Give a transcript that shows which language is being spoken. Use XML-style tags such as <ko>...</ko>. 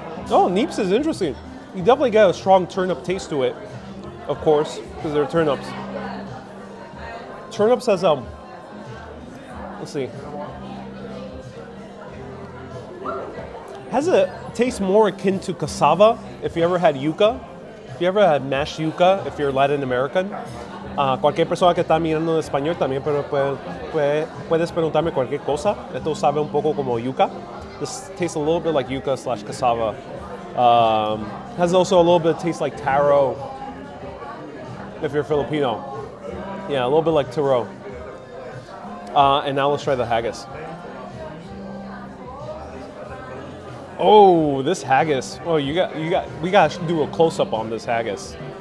<en>Oh, neeps is interesting. You definitely get a strong turnip taste to it, of course, because they're turnips. Turnips has a... Let's see. Has a taste more akin to cassava, if you ever had yuca. If you ever had mashed yuca, if you're Latin American.</en> <es>Cualquier persona que está mirando en español también puedes preguntarme cualquier cosa. Esto sabe un poco como yuca.</es> <en>This tastes a little bit like yuca / cassava. Has also a little bit of taste like taro, if you're Filipino. Yeah, a little bit like taro. And now let's try the haggis. Oh, this haggis. Oh, we got to do a close up on this haggis.</en>